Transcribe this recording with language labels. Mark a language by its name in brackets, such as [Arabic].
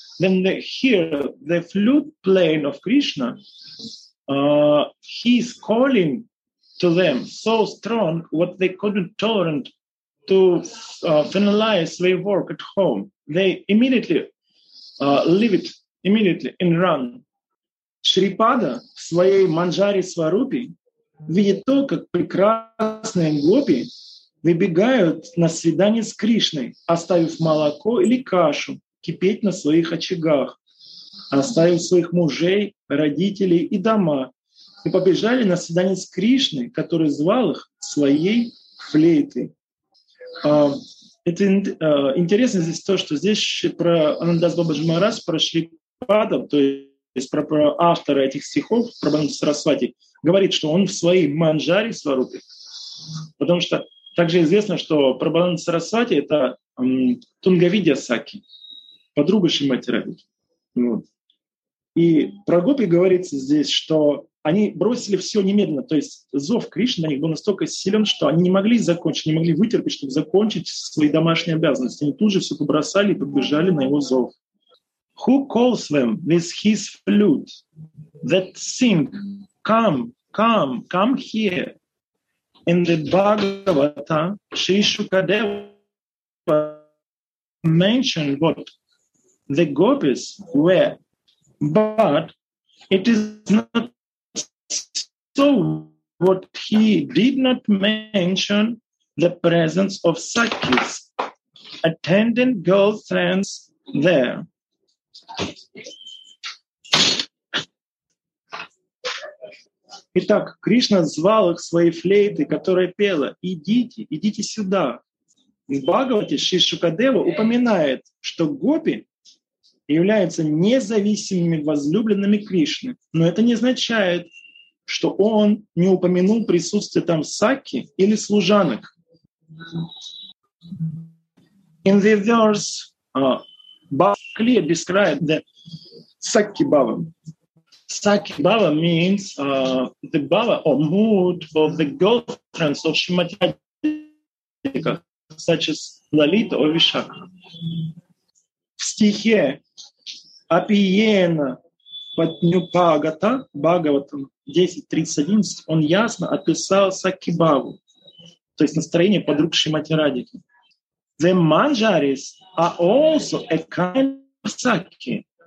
[English] Then they hear the flute playing of Krishna. He's calling to them so strong what they couldn't tolerate to finalize their work at home. They immediately leave it immediately and run. [Russian] Шрипада в своей манджаре сварупе видит то, как прекрасные гопи выбегают на свидание с Кришной, оставив молоко или кашу кипеть на своих очагах, оставив своих мужей, родителей и дома, и побежали на свидание с Кришной, который звал их своей флейтой. Это интересно здесь то, что здесь про Анандас Бабаджи Махарадж, про Шрипада, то есть автор этих стихов, Прабхананда Сарасвати, говорит, что он в своей манджари сварупе. Потому что также известно, что Прабхананда Сарасвати — это Тунгавидья Саки, подруга Шримати Радхики. И про гопи говорится здесь, что они бросили все немедленно. То есть зов Кришны на них был настолько силен, что они не могли закончить, не могли вытерпеть, чтобы закончить свои домашние обязанности. Они тут же все побросали и побежали на его зов. [English] Who calls them with his flute that sing, come, come, come here. In the Bhagavata, Shri Shukadeva mentioned what the gopis were. But it is not so. What he did not mention the presence of Sakis, attendant girlfriends there. [Russian] Итак, Кришна звал их своей флейтой, которая пела: «Идите, идите сюда». В Бхагавате Шри Шукадева упоминает, что гопи являются независимыми возлюбленными Кришны. Но это не означает, что он не упомянул присутствие там Сакхи или служанок. [English] In the verse, Bhakli described the Sakhi Bhava. Sakhi Bhava means the Bhava or mood of the girlfriends of Shrimati Radhika, such as Lalita or Vishakha. [Russian] В стихе Апиена Патнюпагата Бхагаватам 10.30.11 он ясно описал Сакхи Бхаву, то есть настроение подруг Шримати Радхики. [English] The manjaris are also a kind of sakhi.